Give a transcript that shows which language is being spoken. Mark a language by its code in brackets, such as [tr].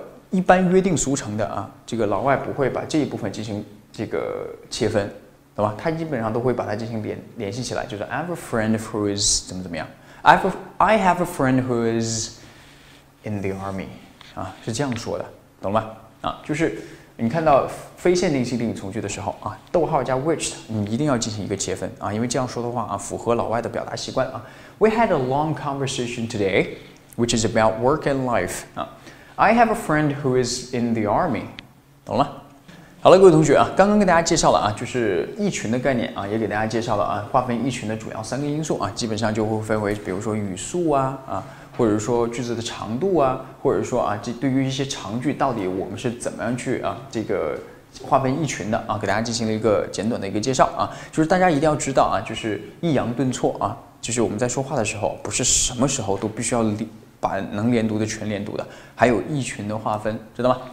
[zh] 一般约定俗成的啊，这个老外不会把这一部分进行这个切分，懂吧？他基本上都会把它进行联系起来，就是 [en] I have a friend who is [zh] 怎么怎么样 ， [en] I have a friend who is in the army， [zh] 啊，是这样说的，懂吗？啊，就是你看到非限定性定语从句的时候啊，逗号加 which， 你一定要进行一个切分啊，因为这样说的话啊，符合老外的表达习惯啊。 [en] We had a long conversation today, which is about work and life 啊。 I have a friend who is in the army， [zh] 懂了？好了，各位同学啊，刚刚跟大家介绍了啊，就是意群的概念啊，也给大家介绍了啊，划分意群的主要三个因素啊，基本上就会分为，比如说语速啊，或者说句子的长度啊，或者说啊，这对于一些长句，到底我们是怎么样去啊，这个划分意群的啊，给大家进行了一个简短的一个介绍啊，就是大家一定要知道啊，就是抑扬顿挫啊，就是我们在说话的时候，不是什么时候都必须要把能连读的全连读的，还有意群的划分，知道吗？